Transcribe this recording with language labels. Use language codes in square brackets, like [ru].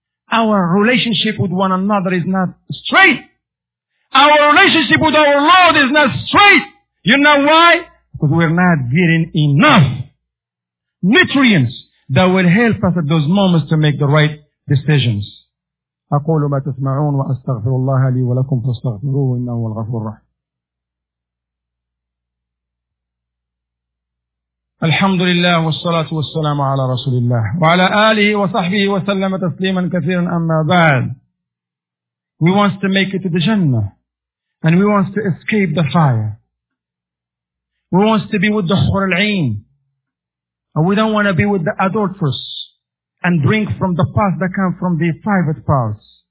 [en] Our relationship with one another is not straight. Our relationship with our Lord is not straight. You know why? Because we're not getting enough nutrients that will help us at those moments to make the right decisions. [ar] أقول ما تسمعون وأستغفر الله لي ولكم فاستغفروه إنه هو الغفور الرحيم. الحمد لله والصلاة والسلام على رسول الله وعلى آله وصحبه وسلم تسليما كثيرا أما بعد. [en] We want to make it to the Jannah and we want to escape the fire. We want to be with the Hur al-Ain and we don't want to be with the adulterers and drink from the path that come from the private paths.